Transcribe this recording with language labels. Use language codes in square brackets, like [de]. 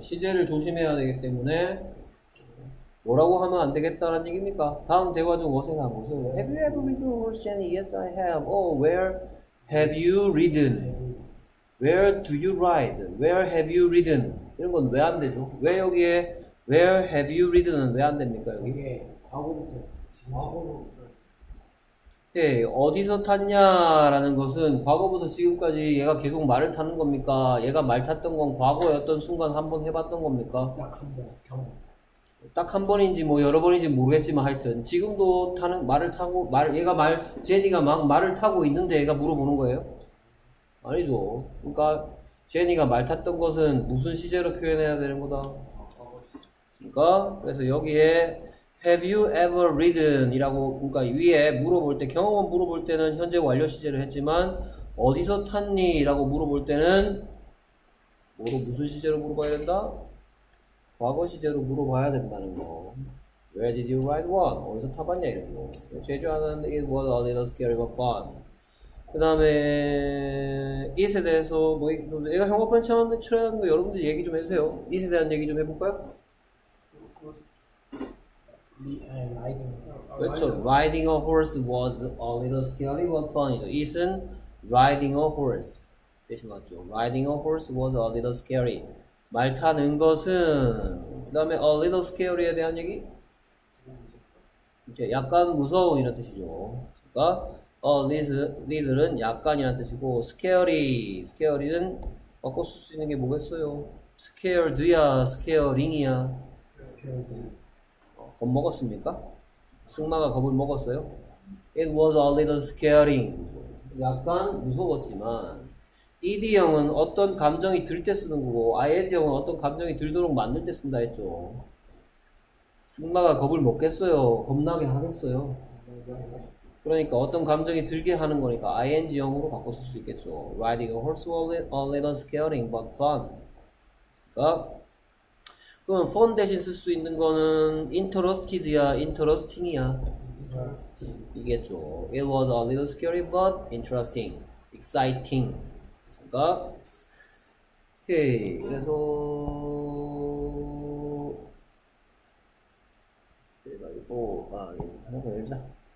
[ko] 시제를 조심해야 되기 때문에 뭐라고 하면 안 되겠다는 얘기입니까? 다음 대화 중 어색한 모습. [en] Have you ever ridden a horse, Jenny? Yes, I have. Oh, where have you ridden? Where do you ride? Where have you ridden? [ko] 이런 건 왜 안 되죠? 왜 여기에 [en] Where have you ridden [ko] 은 왜 안 됩니까? 여기 과거부터 지금으로 예, 어디서 탔냐라는 것은 과거부터 지금까지 얘가 계속 말을 타는 겁니까? 얘가 말 탔던 건 과거였던 순간 한번 해봤던 겁니까? 딱 한 번, 경험. 딱 한 번인지 뭐 여러 번인지 모르겠지만 하여튼 지금도 타는, 말을 타고, 말, 얘가 말, 제니가 막 말을 타고 있는데 얘가 물어보는 거예요? 아니죠. 그러니까 제니가 말 탔던 것은 무슨 시제로 표현해야 되는 거다? 그러니까 그래서 여기에 [en] Have you ever ridden? [ko] 이라고 그러니까 위에 물어볼 때 경험을 물어볼 때는 현재 완료 시제를 했지만 어디서 탔니? 라고 물어볼 때는 뭐로 무슨 시제로 물어봐야 된다? 과거 시제로 물어봐야 된다는 거. [en] Where did you ride one? [ko] 어디서 타봤냐? 이런 거. 제주하는 [en] It was a little scary but fun. [ko] 그 다음에 It에 대해서 뭐 내가 형광펜 체험한 것처럼 여러분들 얘기 좀 해주세요. It에 대한 얘기 좀 해볼까요? [en] Riding. [ko] 그렇죠. [en] Riding a horse was a little scary but fun. It은 riding a horse. [ko] 대신 맞죠. [en] Riding a horse was a little scary. [ko] 말 타는 것은 그 다음에 [en] a little scary에 대한 얘기? [ko] 이렇게 약간 무서운 이런 뜻이죠. 그러니까 a little은 약간이라는 뜻이고 scary. scary는 바꿔 쓸 수 있는 게 뭐겠어요? scared야, scaring이야. [en] scared. [ko] 겁 먹었습니까? 승마가 겁을 먹었어요? [en] It was a little scaring. [ko] 약간 무서웠지만 ED형은 어떤 감정이 들 때 쓰는 거고 IND형은 어떤 감정이 들도록 만들 때 쓴다 했죠. 승마가 겁을 먹겠어요? 겁나게 하겠어요? 그러니까 어떤 감정이 들게 하는 거니까 ING형으로 바꿔 쓸 수 있겠죠. [en] Riding a horse was a little scaring but fun. [ko] 그러니까 그럼 fun 대신 쓸 수 있는 거는 interested야, interesting이야. [en] interesting [ko] 이겠죠. [en] It was a little scary but interesting, exciting. [ko] 그러니까 오케이. 그래서 내가 이거 아 하나 열자.